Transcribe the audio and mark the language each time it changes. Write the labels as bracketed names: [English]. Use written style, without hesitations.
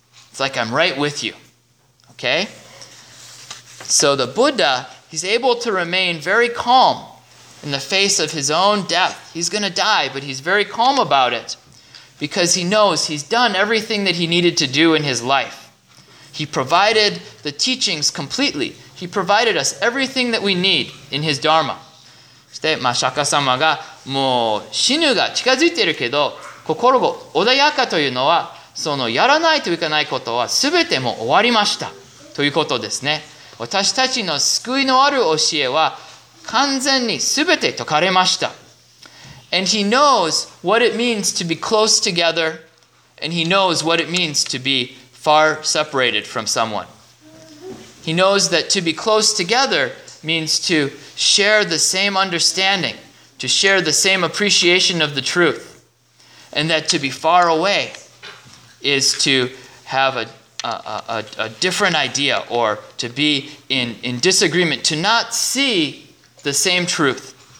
[English] It's like I'm right with you. Okay? So the Buddha, he's able to remain very calm in the face of his own death. He's going to die, but he's very calm about it because he knows he's done everything that he needed to do in his life. He provided the teachings completely. He provided us everything that we need in his dharma. [Japanese] そして、まあ、釈迦様がもう死ぬが近づいているけど、心が穏やかというのは、そのやらないといけないことは全てもう終わりましたということですね。私たちの救いのある教えは完全に全て解かれました。 [English] And he knows what it means to be close together, and he knows what it means to be far separated from someone. He knows that to be close together means to share the same understanding, to share the same appreciation of the truth, and that to be far away is to have a different idea or to be in disagreement, to not see the same truth.